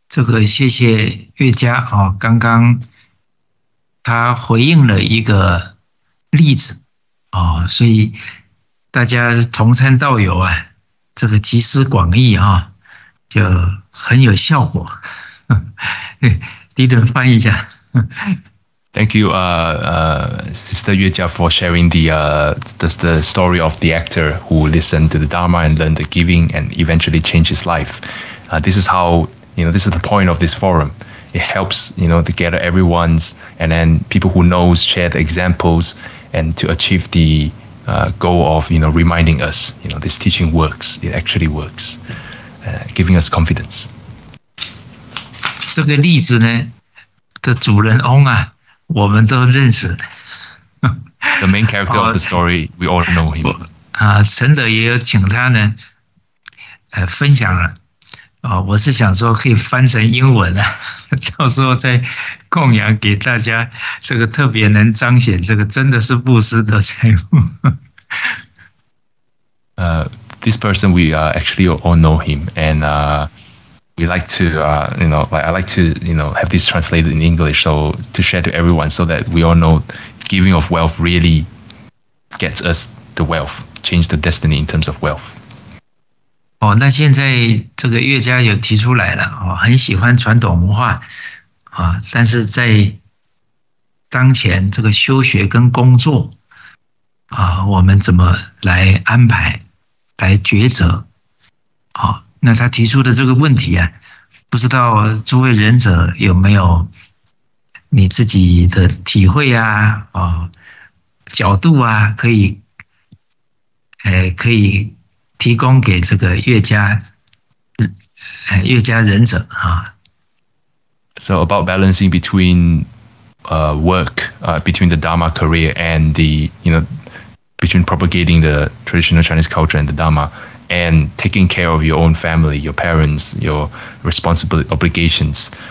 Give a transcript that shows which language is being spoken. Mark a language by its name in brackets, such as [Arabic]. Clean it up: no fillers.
[Chinese] 好,这个谢谢月佳,刚刚他回应了一个例子, 哦，所以大家同参道友啊，这个集思广益啊，就很有效果。 Dylan 翻译一下。 [English] Thank you, Sister Yue Jia, for sharing the story of the actor who listened to the Dharma and learned the giving and eventually changed his life. This is how, you know, this is the point of this forum. It helps, you know, to gather everyone's and then people who knows share the examples and to achieve the goal of, you know, reminding us, you know, this teaching works. It actually works, giving us confidence. [Chinese] 这个例子呢的主人翁啊我们都认识。 [English] The main character of the story, we all know him. [Chinese] 成德也有请他呢分享了。我是想说可以翻成英文啊到时候再供养给大家这个特别能彰显这个真的是布施的财富。 [English] This person, we actually all know him, and we like to, you know, like I like to, you know, have this translated in English so to share to everyone so that we all know giving of wealth really gets us the wealth, change the destiny in terms of wealth. [Chinese] 哦，那现在这个乐家有提出来了，哦，很喜欢传统文化，啊，但是在当前这个修学跟工作，啊，我们怎么来安排，来抉择，啊。那他提出的这个问题啊，不知道诸位仁者有没有你自己的体会啊，角度啊，可以提供给这个乐家仁者啊。 [English] So about balancing between, work, between the Dharma career and the, you know, between propagating the traditional Chinese culture and the Dharma. And taking care of your own family, your parents, your responsible obligations.